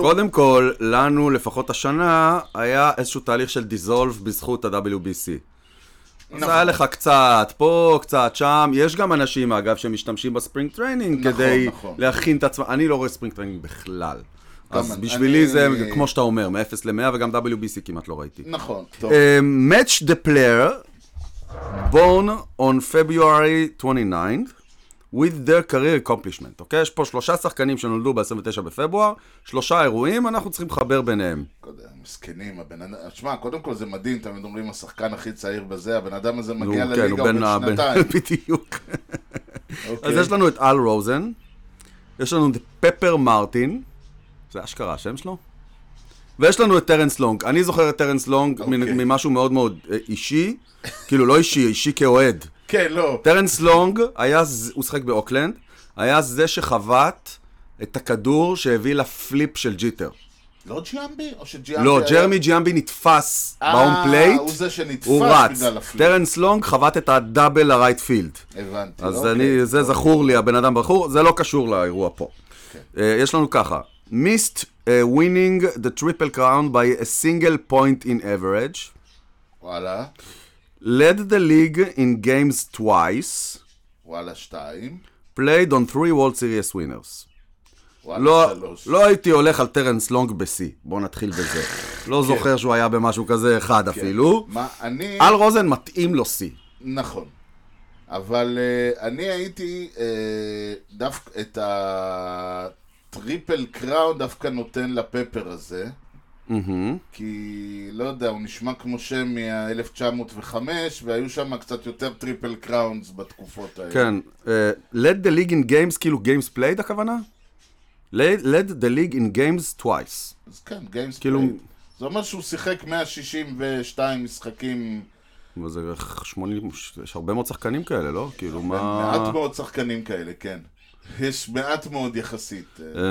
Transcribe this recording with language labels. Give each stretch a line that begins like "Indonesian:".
Hebrew: קודם כל, לנו, לפחות השנה, היה איזשהו תהליך של דיזולף בזכות ה-WBC. נכון. עשה לך קצת פה, קצת שם. יש גם אנשים, אגב, שמשתמשים בספרינג טריינינג, נכון, כדי נכון. להכין את עצמם. אני לא רואה ספרינג טריינינג בכלל. אז בשבילי זה, כמו שאתה אומר, מ-0 ל-100, וגם WBC כמעט לא ראיתי. נכון, טוב.
English: Match the player born on February 29th with their career accomplishment.
Hebrew: אוקיי? יש פה שלושה שחקנים שנולדו ב-29 בפברואר, שלושה אירועים, אנחנו צריכים לחבר ביניהם. מסכנים, הבן אדם, תשמע, קודם כל זה מדהים, תמיד אומרים, השחקן הכי צעיר בזה, הבן אדם הזה מגיע לליגה כן, בן שנתיים. בדיוק. אז יש לנו את אל רוזן, יש לנו את פפר מרטין, זה אשכרה השם שלו, ויש לנו את טרנס לונג. אני זוכר את טרנס לונג ממשהו מאוד מאוד אישי, כאילו לא אישי, אישי כאוהד. כן, לא. טרנס לונג, הוא שחק באוקלנד, היה זה שחוות את הכדור שהביא לפליפ של ג'יטר. לא ג'יאמבי? או שג'יאמבי... לא, ג'רמי ג'יאמבי נתפס באום פלייט. הוא זה שנתפס בגלל הפליט. טרנס לונג חוות את הדאבל הרייט פילד. הבנתי. אז אני, זה זכור לי, הבן אדם בחור. זה לא קשור לאירוע פה. יש לנו ככה.
English: Missed winning the triple crown by a single point in average.
Hebrew: וואלה.
English: Led the league in games twice.
Hebrew: וואלה, שתיים.
English: Played on 3 World Series winners.
Hebrew: לא הייתי הולך על טרנס לונג בסי, בוא נתחיל בזה. לא זוכר שהוא היה במשהו כזה אחד אפילו. אל רוזן מתאים לו סי. נכון. אבל אני הייתי דווקא את הטריפל קראון דווקא נותן לפפר הזה. כי לא יודע, הוא נשמע כמו שם מ-1905, והיו שם קצת יותר טריפל קראונס בתקופות האלה. כן.
English: Led the league in games,
Hebrew: כאילו
English: games played
Hebrew: הכוונה?
English: Led the league in games twice.
Hebrew: אז כן, games כאילו... played. זה אומר שהוא שיחק 162 משחקים. וזה 80, יש הרבה מאוד שחקנים כאלה, לא? כאילו מה... מעט מאוד שחקנים כאלה, כן. יש מעט מאוד יחסית.